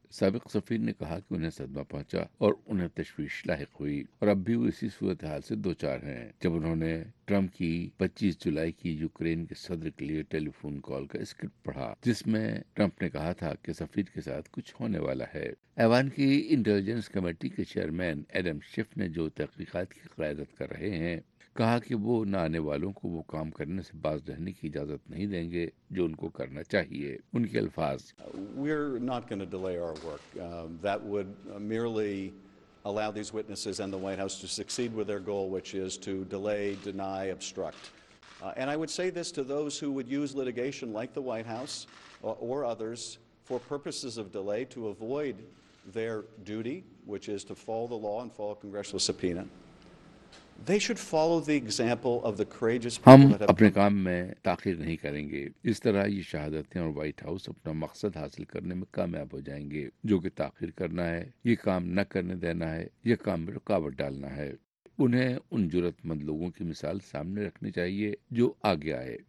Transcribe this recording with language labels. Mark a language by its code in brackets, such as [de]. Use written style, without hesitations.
[ur] سابق سفیر نے کہا کہ انہیں صدمہ پہنچا اور انہیں تشویش لاحق ہوئی اور اب بھی وہ اسی صورتحال سے دو چار ہیں جب انہوں نے ٹرمپ کی 25 جولائی کی یوکرین کے صدر کے لیے ٹیلی فون کال کا اسکرپٹ پڑھا جس میں ٹرمپ نے کہا تھا کہ سفیر کے ساتھ کچھ ہونے والا ہے. ایوان کی انٹیلیجنس کمیٹی کے چیئرمین ایڈم شیف نے جو تحقیقات کی قیادت کر رہے ہیں کہا کہ وہ نہ آنے والوں کو وہ کام کرنے سے باز رہنے کی اجازت نہیں دیں گے جو ان کو کرنا چاہیے. ان کے الفاظ, [en] We're not going to delay our work. That would merely allow these witnesses and the White House to succeed with their goal, which is to delay, deny, obstruct. And I would say this to those who would use litigation like the White House or others for purposes of delay to avoid their duty, which is to follow the law and follow a congressional subpoena. They should follow the example of the courageous people. [ur] ہم اپنے کام میں تاخیر نہیں کریں گے. اس طرح یہ شہادتیں اور وائٹ ہاؤس اپنا مقصد حاصل کرنے میں کامیاب ہو جائیں گے جو کہ تاخیر کرنا ہے, یہ کام نہ کرنے دینا ہے, یہ کام میں رکاوٹ ڈالنا ہے. انہیں ان جرت مند لوگوں کی مثال سامنے رکھنی چاہیے جو آگے آئے.